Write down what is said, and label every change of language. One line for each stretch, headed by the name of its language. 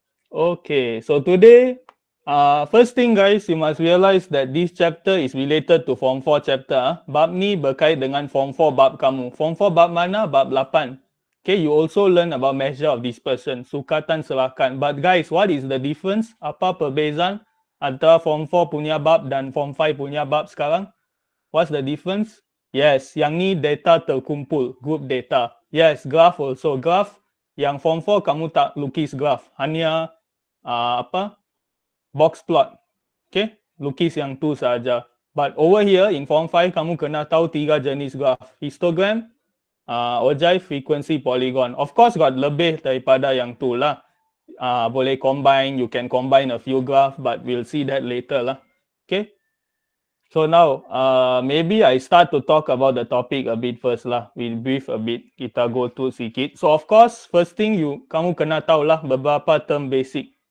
English: Okay, so today, first thing guys, you must realize that this chapter is related to form 4 chapter.
Malay: Bab ni berkait dengan form 4 bab kamu. Form 4 bab mana? Bab 8.
English: Okay, you also learn about measure of dispersion, sukatan serakan. But guys, what is the difference?
Malay: Apa perbezaan antara form 4 punya bab dan form 5 punya bab sekarang?
English: What's the difference?
Malay: Yes, yang ni data terkumpul, group data. Yes, graph also. Graph, yang form 4 kamu tak lukis graph. Hanya, apa? Box plot. Okay, lukis yang tu sahaja.
English: But over here, in form 5,
Malay: kamu kena tahu tiga jenis graph.
English: Histogram, OGIVE, frequency, polygon.
Malay: Of course, got lebih daripada yang tu lah. Boleh combine,
English: you can combine a few graph, but we'll see that later lah. Okay? So now, maybe I start to talk about the topic a bit first lah. We'll brief a bit.
Malay: Kita go to sikit. So of course, first thing you, kamu kena tahu lah beberapa term basic.